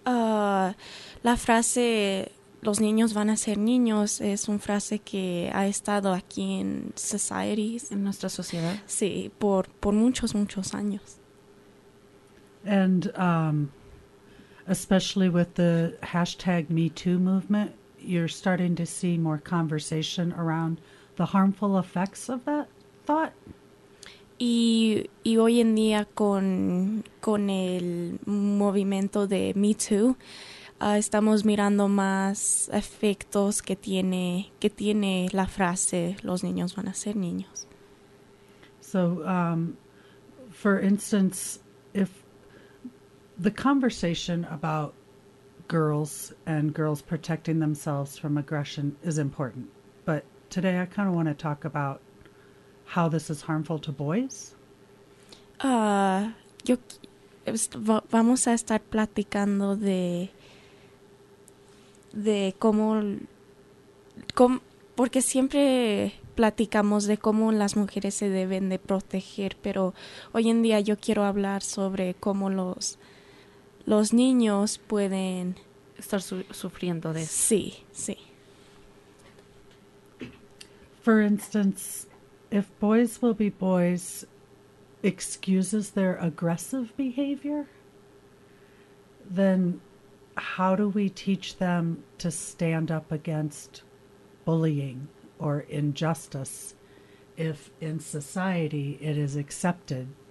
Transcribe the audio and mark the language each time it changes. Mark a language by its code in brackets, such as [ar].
[es] La frase "los niños van a ser niños" es una frase que ha estado aquí en societies, En nuestra sociedad. sí, por muchos, muchos años. [en] And especially with the hashtag MeToo movement, you're starting to see more conversation around the harmful effects of that thought. [es] Y hoy en día con el movimiento de Me Too, estamos mirando más efectos que tiene la frase "los niños van a ser niños". [en] So, for instance, if the conversation about girls and girls protecting themselves from aggression is important, but today I kind of want to talk about how this is harmful to boys. [es] Yo vamos a estar platicando de cómo, porque siempre platicamos de cómo las mujeres se deben de proteger, pero hoy en día yo quiero hablar sobre cómo los niños pueden. Estar sufriendo de esto. Sí. [en] For instance, if boys will be boys excuses their aggressive behavior, then how do we teach them to stand up against bullying or injustice if in society it is accepted?